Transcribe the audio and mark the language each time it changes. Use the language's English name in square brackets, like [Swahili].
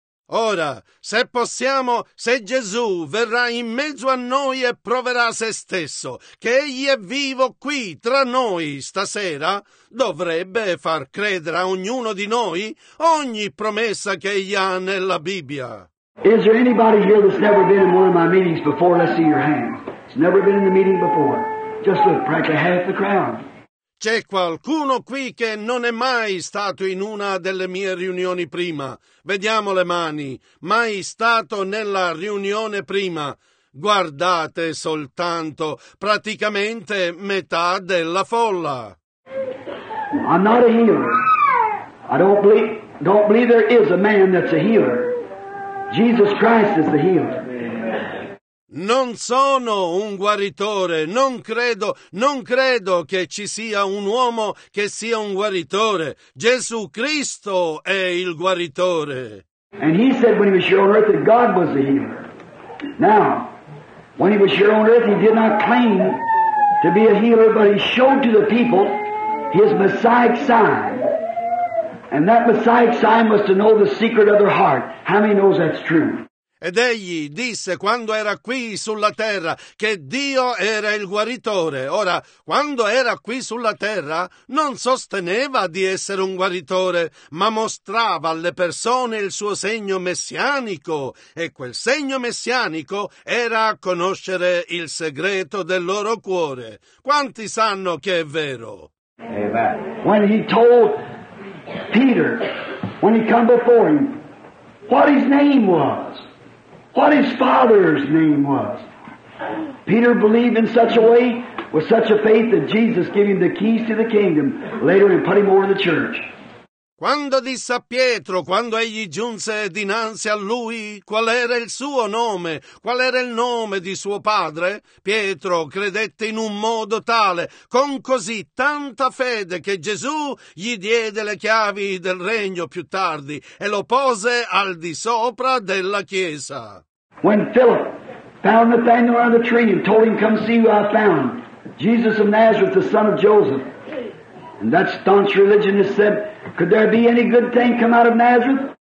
[Italian] Ora, se possiamo, se Gesù verrà in mezzo a noi e proverà se stesso, che egli è vivo qui tra noi stasera, dovrebbe far credere a ognuno di noi ogni promessa che egli ha nella Bibbia. [English] Is there anybody here that's never been in one of my meetings before? Let's see your hand. It's never been in the meeting before. Just look, practically half the crowd. [Italian] C'è qualcuno qui che non è mai stato in una delle mie riunioni prima? Vediamo le mani. Mai stato nella riunione prima? Guardate soltanto, praticamente metà della folla. [English] I'm not a healer. I don't believe there is a man that's a healer. Jesus Christ is the healer. [Italian] Non sono un guaritore, non credo che ci sia un uomo che sia un guaritore. Gesù Cristo è il guaritore. [English] And he said when he was here on earth that God was the healer. Now, when he was here on earth, he did not claim to be a healer, but he showed to the people his Messiah sign. And that Messiah sign was to know the secret of their heart. How many knows that's true? [Italian] Ed egli disse quando era qui sulla terra che Dio era il guaritore. Ora, quando era qui sulla terra, non sosteneva di essere un guaritore, ma mostrava alle persone il suo segno messianico. E quel segno messianico era conoscere il segreto del loro cuore. Quanti sanno che è vero? [English] When he told Peter, when he come before him, what his name was. What his father's name was. Peter believed in such a way, with such a faith, that Jesus gave him the keys to the kingdom later and put him over the church. [Italian] Quando disse a Pietro, quando egli giunse dinanzi a lui, qual era il suo nome, qual era il nome di suo padre, Pietro credette in un modo tale, con così tanta fede, che Gesù gli diede le chiavi del regno più tardi e lo pose al di sopra della chiesa. [English] When Philip found Nathanael under the tree and told him, come see who I found, Jesus of Nazareth, the son of Joseph, and that staunch religionist said, could there be any good thing come out of Nazareth?